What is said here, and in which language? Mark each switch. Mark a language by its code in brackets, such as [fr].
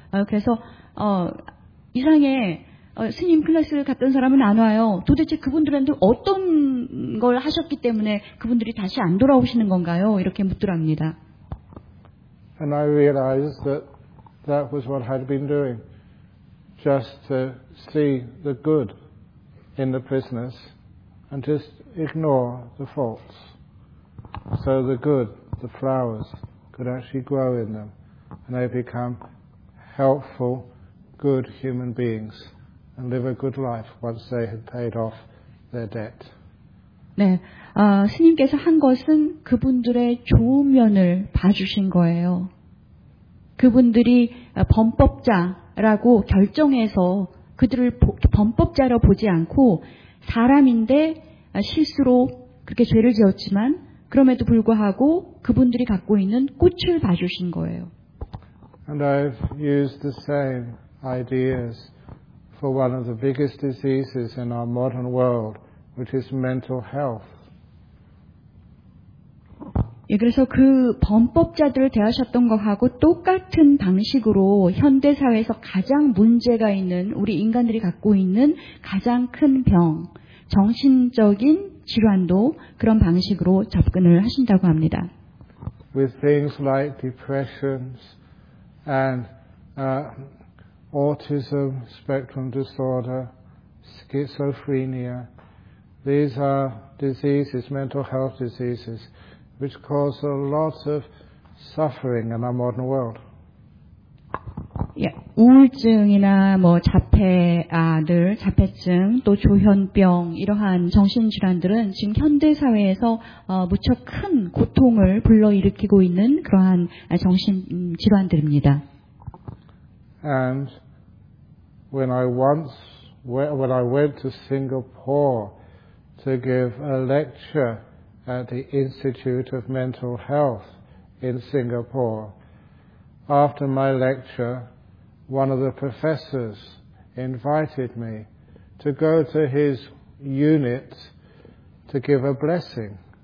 [ko] 그래서 이상해. 스님 클래스를 갔던 사람은 안 와요. 도대체 그분들한테 어떤 걸 하셨기 때문에 그분들이 다시 안 돌아오시는 건가요? 이렇게 묻더랍니다. [en] And I realized that that was what I had been doing. Just to see the good in the prisoners and just ignore the faults. So the good, the flowers, could actually grow in them and they become helpful, good human beings. And live a good life once they had paid off their debt. [ko] 네, 스님께서 한 것은 그분들의 좋은 면을 봐주신 거예요. 그분들이 범법자라고 결정해서 그들을 범법자로 보지 않고 사람인데 실수로 그렇게 죄를 지었지만 그럼에도 불구하고 그분들이 갖고 있는 꽃을 봐주신 거예요. [en] And I've used the same ideas for one of the biggest diseases in our modern world, which is mental health. [ko] 예, 그래서 그 범법자들을 대하셨던 것하고 똑같은 방식으로 현대 사회에서 가장 문제가 있는 우리 인간들이 갖고 있는 가장 큰 병, 정신적인 질환도 그런 방식으로 접근을 하신다고 합니다. [en] With things like depressions and autism spectrum disorder, schizophrenia. These are diseases, mental health diseases, which cause a lot of suffering in our modern world. [ko] Yeah, 우울증이나 뭐 자폐아들, 자폐증, 또 조현병 이러한 정신질환들은 지금 현대 사회에서 무척 큰 고통을 불러일으키고 있는 그러한 정신질환들입니다. [en] And When I went to Singapore to give a lecture at the Institute of Mental Health in Singapore, after my lecture, one of the professors invited me to go to his unit to give a blessing.